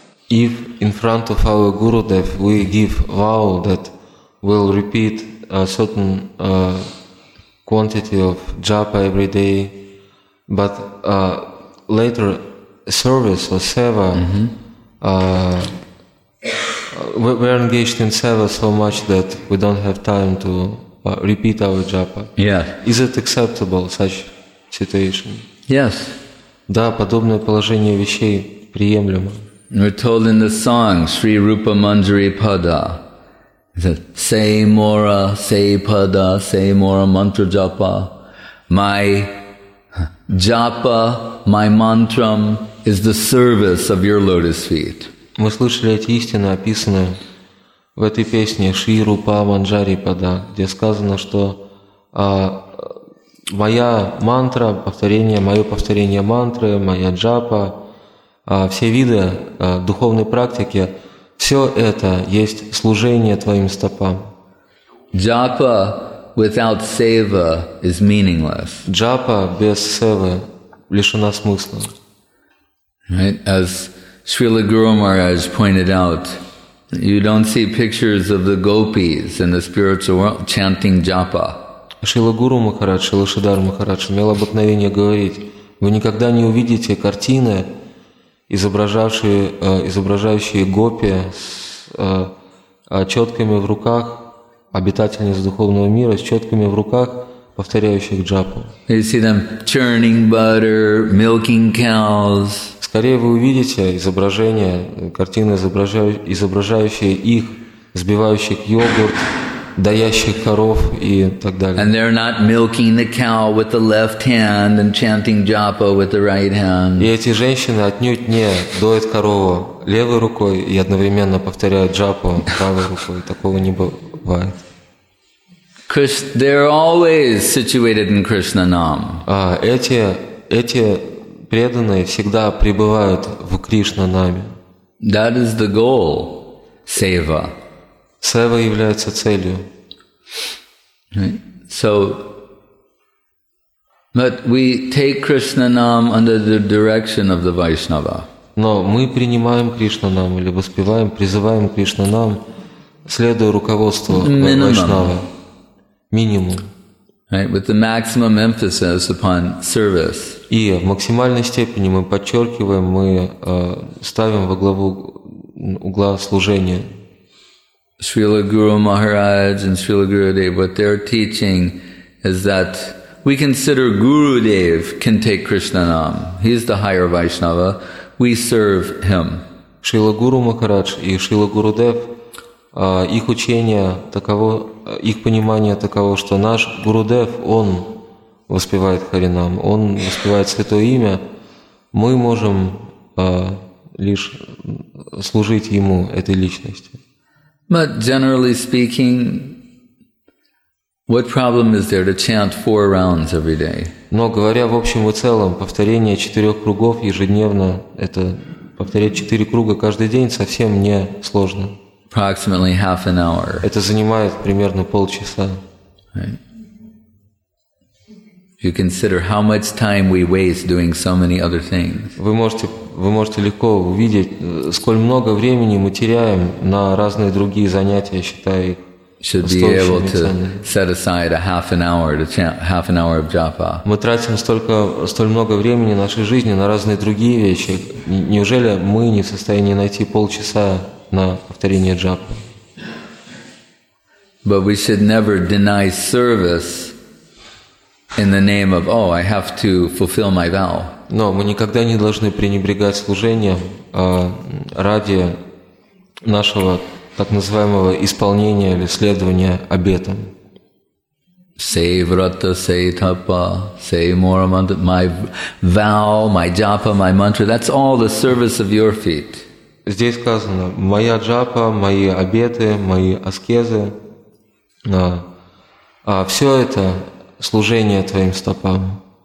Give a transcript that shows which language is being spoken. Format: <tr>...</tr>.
<en>If in front of our Gurudev we give vow that we'll repeat a certain quantity of japa every day, but later service or seva, mm-hmm. We're engaged in seva so much that we don't have time to repeat our japa. Yeah. Is it acceptable such situation? Yes.</en> <ru>Да, подобное положение вещей приемлемо.</ru> <en>We're told in the song Sri Rupa Manjari Pada that</en> <bn>say mora, say pada, say mora mantra japa.</bn> <en>My japa, my mantram is the service of your lotus feet.</en> <ru>Мы слышали эти истины, описанные в этой песне Шри Рупа Манджари Пада, где сказано, что моя мантра, повторение, мое повторение мантры, моя джапа, все виды духовной практики, все это есть служение твоим стопам.</ru> <en>Джапа without сева is meaningless.</en> <ru>Джапа без севы лишена смысла.</ru> <en>Right? As Srila Guru Maharaj pointed out, you don't see pictures of the gopis in the spiritual world chanting japa.</en> <ru>Srila Guru Maharaj, Srila Shridhar Maharaj, имел обыкновение говорить, вы никогда не увидите картины, изображающие гопи с четками в руках, обитательниц духовного мира с четками в руках, повторяющих джапу.</ru> <en>You see them churning butter, milking cows.</en> <ru>Скорее вы увидите изображение, картины, изображающие их, взбивающих йогурт, доящих коров и так далее.</ru> <en>And they're not milking the cow with the left hand and chanting japa with the right hand.</en> <ru>И эти женщины отнюдь не доят корову левой рукой и одновременно повторяют джапу правой рукой. Такого не бывает.</ru> <en>They're always situated in Krishna Nam.</en> <ru>Эти преданные всегда пребывают в Кришна Наме.</ru> <en>That is the goal, seva.</en> <ru>Сева является целью.</ru> <en>Right. So, but we take Krishna Nam under the direction of the Vaishnava.</en> <ru>Но мы принимаем Кришна Нам или воспеваем, призываем Кришна Нам, следуя руководству Вайшнава. Минимум.</ru> <en>Right, with the maximum emphasis upon service.</en> <ru>И в максимальной степени мы подчеркиваем, мы ставим во главу угла служения.</ru> <en>Srila Guru Maharaj and Srila Gurudev, what they're teaching is that we consider Gurudev can take Krishna Nam. He's the higher Vaishnava. We serve him.</en> <ru>Srila Guru Maharaj и Srila Gurudev, их учение таково, их понимание таково, что наш Гурудев, он воспевает Харинам, он воспевает Святое Имя, мы можем лишь служить ему, этой личности.</ru> <en>But generally speaking, what problem is there to chant four rounds every day?</en> <ru>Но говоря в общем и целом, повторение четырех кругов ежедневно, это повторять четыре круга каждый день совсем не сложно.</ru> <en>Approximately half an hour.</en> <ru>Это занимает примерно полчаса.</ru> <en>Right. You consider how much time we waste doing so many other things.</en> <ru>Вы можете легко увидеть, сколь много времени мы теряем на разные другие занятия, считая их.</ru> <en>Should be able to set aside a half an hour to chant half an hour of japa.</en> <ru>Мы тратим столь много времени нашей жизни на разные другие вещи. Неужели мы не в состоянии найти полчаса на повторение джапы?</ru> <en>But we should never deny service in the name of, oh, I have to fulfill my vow.</en> <ru>Но мы никогда не должны пренебрегать служением ради нашего так называемого исполнения или следования обетам.</ru> <bn>Say vrata, say tapa, say mora mantra,</bn> <en>my vow, my japa, my mantra, that's all the service of your feet.</en> <ru>Здесь сказано, моя джапа, мои обеты, мои аскезы, все это служение твоим стопам.</ru>